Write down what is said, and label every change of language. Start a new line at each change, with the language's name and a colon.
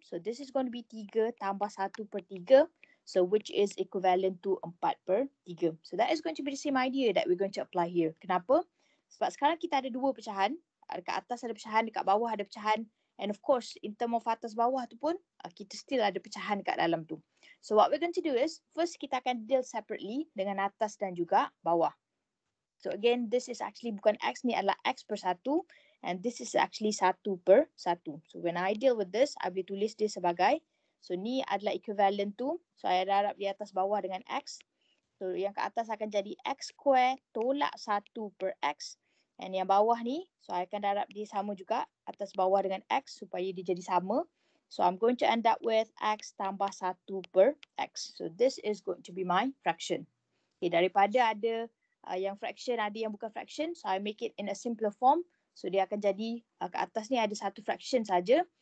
English: So, this is going to be 3 tambah 1 per 3. So, which is equivalent to 4 per 3. So, that is going to be the same idea that we're going to apply here.
Malay: Kenapa? Sebab sekarang kita ada dua pecahan. Dekat atas ada pecahan, dekat bawah ada pecahan.
English: And of course, in term of
Malay: atas bawah tu pun, kita still ada pecahan kat dalam tu.
English: So, what we're going to do is, first
Malay: kita akan
English: deal separately
Malay: dengan atas dan juga bawah.
English: So, again, this is actually
Malay: bukan x, ni adalah x per 1.
English: And this is actually 1 per 1. So, when I deal with this, I
Malay: boleh tulis dia sebagai.
English: So,
Malay: ni adalah
English: equivalent to.
Malay: So, I darab di atas bawah dengan x. So, yang kat atas akan jadi x square tolak 1 per x. And yang bawah ni, so I akan darab dia sama juga atas bawah dengan x supaya dia jadi sama.
English: So I'm going to end up with x tambah 1 per x. So this is going to be my fraction.
Malay: Okay, daripada ada yang fraction, ada yang bukan fraction.
English: So I make it in a simpler form.
Malay: So dia akan jadi kat atas ni ada satu fraction saja.